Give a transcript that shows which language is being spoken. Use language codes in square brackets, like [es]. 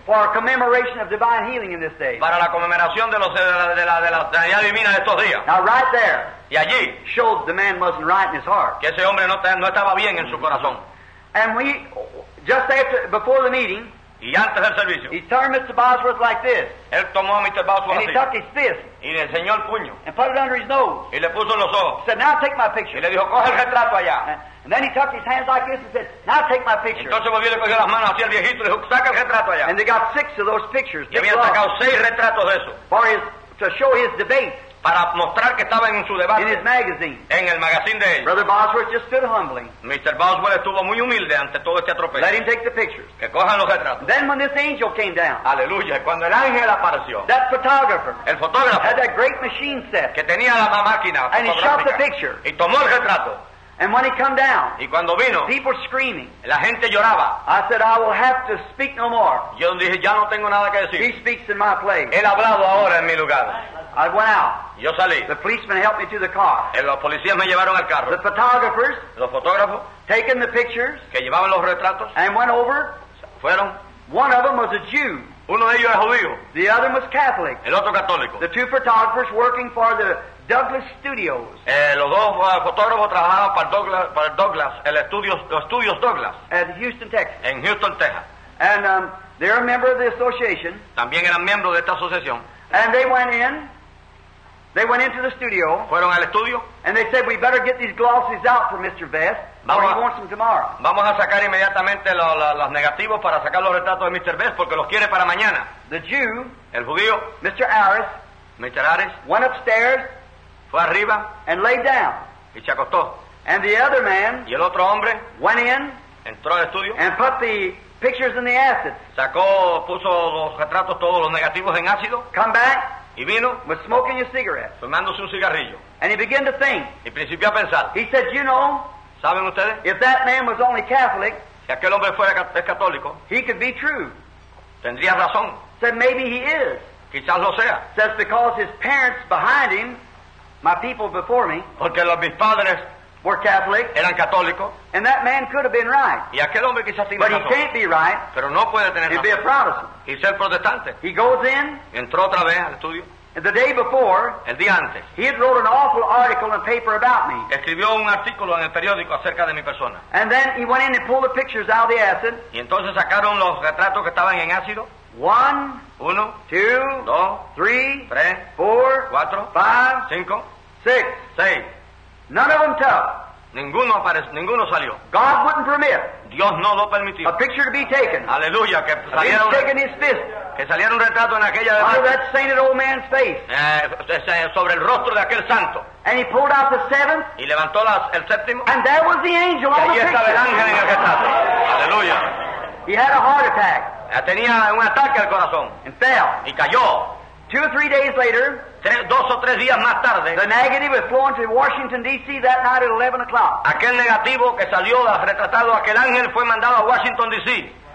[en] For a commemoration of divine healing in this day. [es] Para la conmemoración de los de la sanidad divina de estos días. [en] Now right there. [es] Y allí. [en] Shows the man wasn't right in his heart. [es] Que ese hombre no estaba bien en su corazón. [en] And we just after before the meeting. [es] Y antes del servicio. [en] He turned Mr. Bosworth like this. [es] Él tomó a Mr. Bosworth [en] and [es] así. [en] He tucked his fist. [es] Y le enseñó el puño. [en] And put it under his nose. [es] Y le puso en los ojos. [en] He said, "Now take my picture." [es] Y le dijo, "Coge el retrato allá." [en] And then he tucked his hands like this and said, "Now take my picture." [es] Entonces volvió y le cogió las manos hacia el viejito y le dijo, "Saca el retrato allá." [en] And they got six of those pictures. [es] Y habían sacado seis retratos de eso. [en] For his, to show his debate. [es] Para mostrar que estaba en su debate. [en] In his magazine. [es] En el magazine de él. [en] Brother Bosworth just stood humbly. [es] Mr. Bosworth estuvo muy humilde ante todo este atropello. [en] Let him take the pictures. [es] Que cojan los retratos. [en] Then when this angel came down. [es] Aleluya. Cuando el ángel apareció. [en] That photographer. [es] El fotógrafo. [en] Had that great machine set. [es] Que tenía la máquina. [en] And he shot the picture. [es] Y tomó el retrato. [en] And when he come down. [es] Y cuando vino. [en] People screaming. [es] La gente lloraba. [en] I said, "I will have to speak no more." [es] Yo dije, ya no tengo nada que decir. [en] He speaks in my place. [es] Él ha hablado ahora en mi lugar. [en] I went out. [es] Yo salí. [en] The policemen helped me to the car. [es] Los policías me llevaron al carro. [en] The photographers. [es] Los fotógrafos. [en] Taking the pictures. [es] Que llevaban los retratos. [en] And went over. [es] Fueron. [en] One of them was a Jew. [es] Uno de ellos era judío. [en] The other was Catholic. [es] El otro católico. [en] The two photographers working for the Douglas Studios. [es] Los dos fotógrafos trabajaban para Douglas, los estudios Douglas. [en] At Houston, Texas. [es] En Houston, Texas. [en] And they're a member of the association. [es] También eran miembros de esta asociación. [en] And they went in. They went into the studio. [es] Fueron al estudio. [en] And they said, "We better get these glosses out for Mr. Vest, or he wants them tomorrow." [es] Vamos a sacar inmediatamente los negativos para sacar los retratos de Mr. Vest porque los quiere para mañana. [en] The Jew. [es] El judío. [en] Mr. Harris. [es] Mr. Harris. [en] Went upstairs. [es] Fue arriba. [en] And laid down. [es] Y se acostó. [en] And the other man. [es] Y el otro hombre. [en] Went in. [es] Entró al estudio. [en] And put the pictures in the acid. [es] Sacó, puso los retratos todos los negativos en ácido. [en] Come back. [es] Y vino, [en] was smoking a cigarette. [es] Fumándose un cigarrillo. [en] And he began to think. [es] Y principió a pensar. [en] He said, "You know, [es] ¿saben ustedes? [en] If that man was only Catholic, [es] si aquel hombre fuera católico, [en] he could be true. [es] Tendría razón. [en] Said, maybe he is. [es] Quizás lo sea. [en] Says, because his parents behind him, my people before me, [es] porque mis padres [en] were Catholic. [es] Eran católicos. [en] And that man could have been right. [es] Y aquel hombre quizás tenía [en] razón. But he can't be right. [es] Pero no puede tener [en] razón. He'd be a Protestant. [es] Y ser protestante. [en] He goes in. [es] Entró otra vez al estudio. [en] And the day before. [es] El día antes. [en] He had wrote an awful article in the paper about me. [es] Escribió un artículo en el periódico acerca de mi persona. [en] And then he went in and pulled the pictures out of the acid. [es] Y entonces sacaron los retratos que estaban en ácido. [en] One. [es] Uno. [en] Two. [es] Dos. [en] Three. [es] Tres. [en] Four. [es] Cuatro. [en] Five. [es] Cinco. [en] Six. [es] Seis. [en] None of them tell. [es] Ninguno apareció, ninguno salió. [en] God wouldn't permit. [es] Dios no lo permitió. [en] A picture to be taken. [es] Aleluya, que saliera. [en] He's taken his fist. [es] Que saliera un retrato en aquella. [en] Out of that sainted old man's face. [es] Sobre el rostro de aquel santo. [en] And he pulled out the seventh. [es] Y levantó el séptimo. [en] And there was the angel on the picture. [es] Y ahí estaba el ángel en el retrato. Aleluya. [en] He had a heart attack. [es] Tenía un ataque al corazón. [en] And fell. [es] Y cayó. [en] Two or three days later, [es] dos o tres días más tarde, [en] the negative was flown to Washington, D.C. that night at 11 o'clock. [es] Aquel negativo que salió retratado, aquel ángel fue mandado a Washington, D.C.